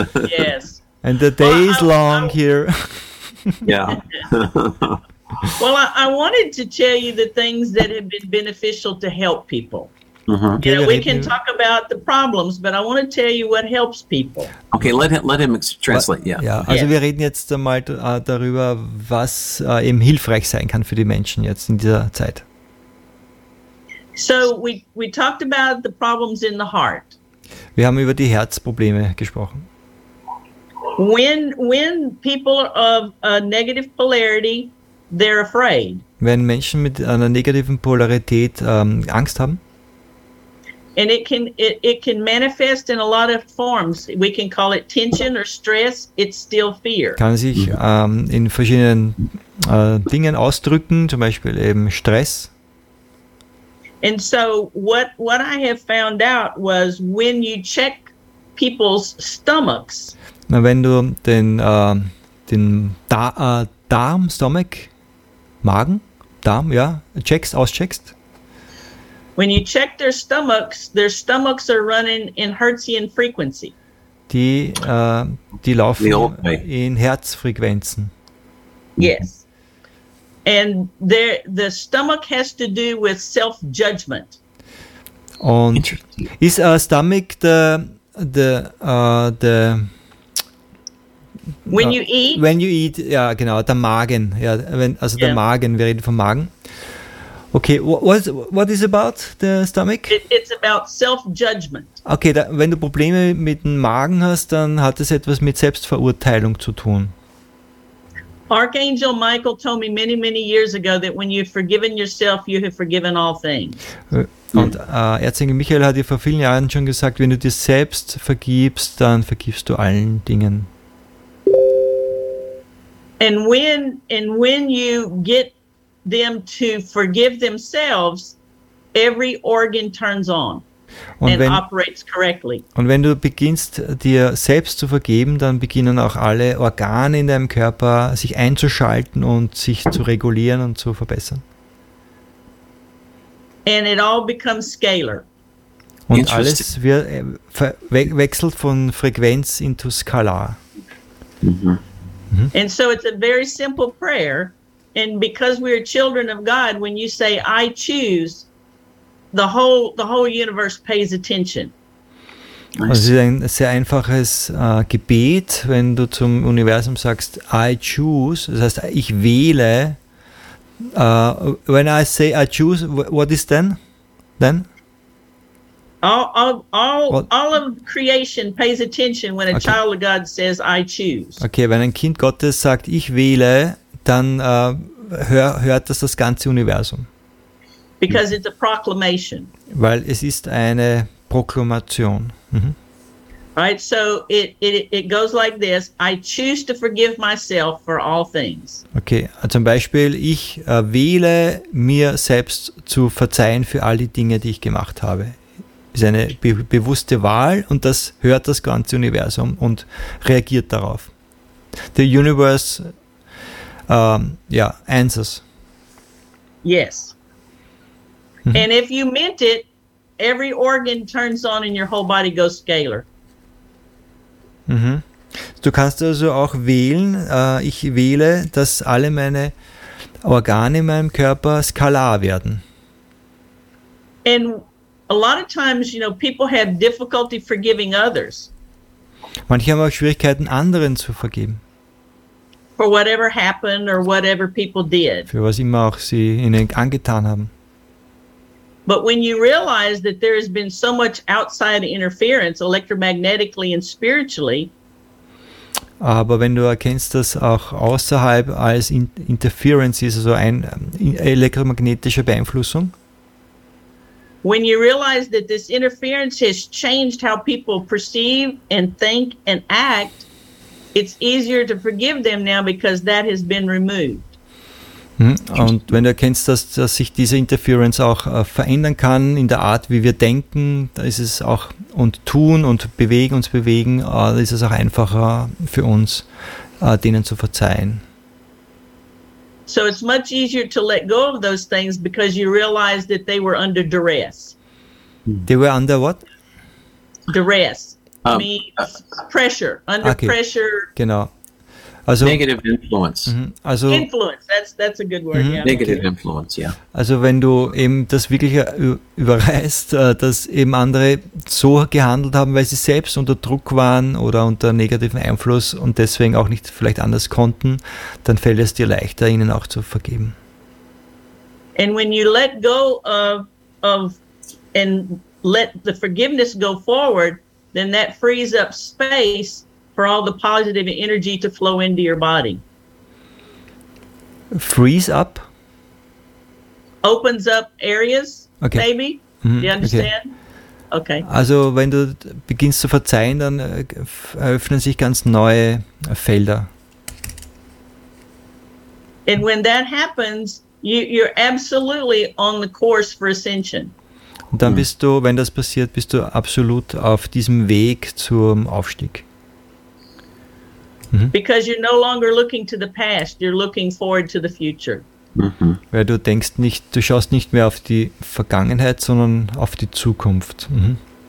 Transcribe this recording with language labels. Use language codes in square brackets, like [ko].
[en] Yes. And the day is long here. Yeah. Well, I wanted to tell you the things that have been beneficial to help people. Mm-hmm. You know, we can talk about the problems, but I want to tell you what helps people. Okay, let him translate. Yeah. [de] Ja, also yeah. Wir reden jetzt einmal darüber, was eben hilfreich sein kann für die Menschen jetzt in dieser Zeit. [en] So we talked about the problems in the heart. [de] Wir haben über die Herzprobleme gesprochen. [en] When people of a negative polarity, they're afraid. [de] Wenn Menschen mit einer negativen Polarität Angst haben. [en] And it can manifest in a lot of forms. We can call it tension or stress. It's still fear. [de] Kann sich in verschiedenen Dingen ausdrücken, zum Beispiel eben Stress. [en] And so what I have found out was when you check people's stomachs. [de] Na, wenn du den Darm, Stomach, Magen, Darm, ja, auscheckst. [en] When you check their stomachs are running in Hertzian frequency. [de] Die laufen in Herzfrequenzen. [en] Yes. And the stomach has to do with self-judgment. [de] Und ist [en] Stomach the when you eat? When you eat, [de] ja genau, der Magen. Ja, der Magen, wir reden vom Magen. [en] Okay, what is about the stomach? It's about self-judgment. [de] Okay, wenn du Probleme mit dem Magen hast, dann hat es etwas mit Selbstverurteilung zu tun. [en] Archangel Michael told me many, many years ago that when you've forgiven yourself, you have forgiven all things. [de] Und Erzengel Michael hat dir vor vielen Jahren schon gesagt, wenn du dir selbst vergibst, dann vergibst du allen Dingen. [en] And when you get them to forgive themselves, every organ turns on and operates correctly. [de] Und wenn du beginnst, dir selbst zu vergeben, dann beginnen auch alle Organe in deinem Körper sich einzuschalten und sich zu regulieren und zu verbessern. [en] And it all becomes scalar. [de] Und alles wird, wechselt von Frequenz [en] into [de] Skalar. [en] Mm-hmm. And so it's a very simple prayer. And because we are children of God, when you say, I choose, the whole universe pays attention. [de] Also es ist ein sehr einfaches Gebet, wenn du zum Universum sagst, [en] I choose, [de] das heißt, ich wähle. [en] When I say I choose, what is then? All of creation pays attention when a child of God says, I choose. [de] Okay, wenn ein Kind Gottes sagt, ich wähle, dann hört das ganze Universum. [en] Because it's a proclamation. [de] Weil es ist eine Proklamation. [en] Mhm. Right, so it goes like this, I choose to forgive myself for all things. [de] Okay, zum Beispiel, ich wähle mir selbst zu verzeihen für all die Dinge, die ich gemacht habe. Ist eine bewusste Wahl und das hört das ganze Universum und reagiert darauf. [en] The universe answers. Yes. Mhm. And if you meant it, every organ turns on and your whole body goes scalar. Mhm. [de] Du kannst also auch wählen, ich wähle, dass alle meine Organe in meinem Körper skalar werden. [en] And a lot of times, you know, people have difficulty forgiving others. [de] Manche haben auch Schwierigkeiten, anderen zu vergeben. [en] For whatever happened or whatever people did. [de] Für was immer auch sie ihnen angetan haben. [en] But when you realize that there has been so much outside interference, electromagnetically and spiritually. [de] Aber wenn du erkennst, dass auch außerhalb als Interference ist, also eine elektromagnetische Beeinflussung. [en] When you realize that this interference has changed how people perceive and think and act, it's easier to forgive them now because that has been removed. [de] Und wenn du erkennst, dass sich diese Interference auch verändern kann in der Art, wie wir denken, da ist es auch und tun und bewegen uns bewegen, ist es auch einfacher für uns, denen zu verzeihen. [en] So it's much easier to let go of those things because you realize that they were under duress. They were under what? Duress. Pressure. Under okay. Pressure. [de] Genau. [en] Also, negative influence. Mm-hmm. Also, influence, that's a good word. Mm-hmm. Yeah. Negative influence, yeah. [de] Also wenn du eben das wirklich überreißt, dass eben andere so gehandelt haben, weil sie selbst unter Druck waren oder unter negativen Einfluss und deswegen auch nicht vielleicht anders konnten, dann fällt es dir leichter, ihnen auch zu vergeben. [en] And when you let go of and let the forgiveness go forward, then that frees up space for all the positive energy to flow into your body. Freeze up? Opens up areas, okay. Maybe? Mm-hmm. Do you understand? Okay. [de] Also, wenn du beginnst zu verzeihen, dann eröffnen sich ganz neue Felder. [en] And when that happens, you're absolutely on the course for ascension. [de] Und dann bist du, wenn das passiert, bist du absolut auf diesem Weg zum Aufstieg. [en] Because you're no longer looking to the past, you're looking forward to the future. Mhm. [de] Weil du denkst nicht, du schaust nicht mehr auf die Vergangenheit, sondern auf die Zukunft. Mhm.